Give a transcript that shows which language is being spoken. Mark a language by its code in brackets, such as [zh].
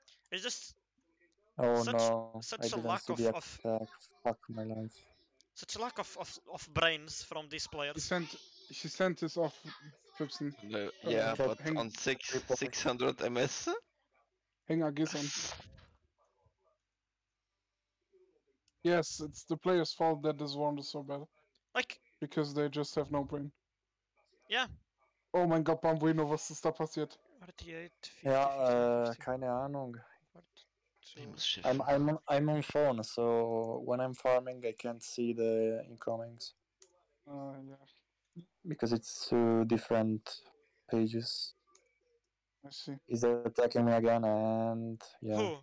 [en] It's just such a lack of brains from these players. She sent us off, Fipsen. On 600 MS. Hang on, Gizan. Yes, it's the player's fault that this round is so bad. Like. Because they just have no brain. Yeah. Oh my god, Bambuino, [de] was ist da passiert? Keine Ahnung. [en] I'm on phone, so when I'm farming, I can't see the incomings. Because it's two different pages. I see. He's attacking me again, and... Yeah.